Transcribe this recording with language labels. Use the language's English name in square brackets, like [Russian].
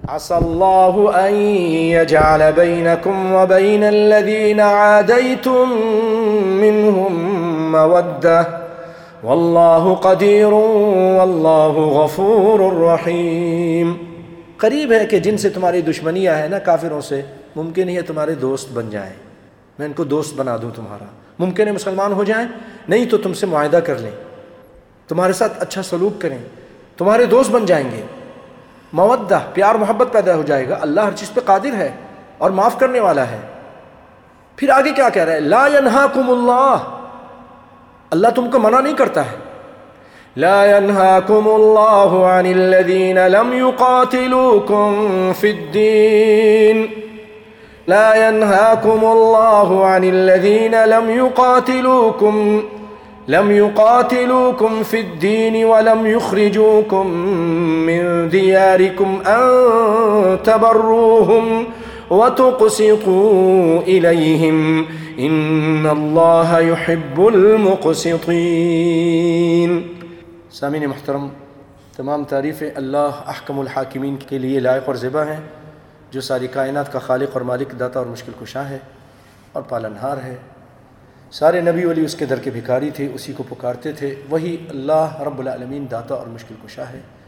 [Arabic] عسى الله أن يجعل بينكم وبين الذين عاديتم منهم مودة، والله قدير والله غفور رحيم. [Urdu] قریب ہے کہ جن سے تمہاری دشمنیاں ہیں نا کافروں سے، ممکن ہی ہے تمہارے دوست بن جائیں، میں ان کو دوست بنا دوں تمہارا، ممکن ہے مسلمان ہو جائیں، نہیں تو تم سے معاہدہ کر لیں، تمہارے ساتھ اچھا سلوک کریں، تمہارے دوست بن جائیں گے، مودہ پیار محبت پیدا ہو جائے گا. اللہ ہر چیز پہ قادر ہے اور معاف کرنے والا ہے. پھر آگے کیا کہہ رہا ہے؟ [Arabic] لا ينہاکم اللہ، [Urdu] اللہ تم کو منع نہیں کرتا ہے. [Arabic] لا ينهاكم الله عن الذين لم يقاتلوكم في الدين لا ينهاكم الله عن الذين لم يقاتلوكم في الدين ولم يخرجوكم من دياركم أن تبروهم وتقسطوا إليهم إن الله يحب المقسطين. [Urdu] سامعین محترم، تمام تعریفیں اللہ احکم الحاکمین کے لیے لائق اور ذبح ہیں، جو ساری کائنات کا خالق اور مالک، داتا اور مشکل کشا ہے اور پالنہار ہے. سارے نبی ولی اس کے در کے بھکاری تھے، اسی کو پکارتے تھے، وہی اللہ رب العالمین داتا اور مشکل کشا ہے.